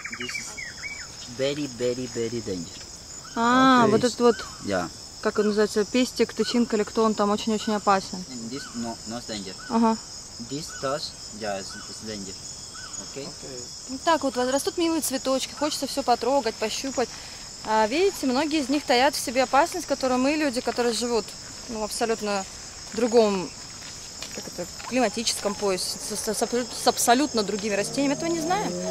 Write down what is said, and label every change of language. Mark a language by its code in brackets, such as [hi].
[en] This is very, very, very danger. [ru] А, okay. Вот этот вот. [en] Yeah. [ru] Как он называется? Пестик, тычинка или кто он там, очень-очень опасен. [en] And this no, no, it's danger. This those, yeah, it's danger. Okay? Okay. [ru] Вот так вот, растут милые цветочки, хочется все потрогать, пощупать. А видите, многие из них таят в себе опасность, которую мы, люди, которые живут ну, в абсолютно другом как это, климатическом поясе, с абсолютно другими растениями, этого не знаем.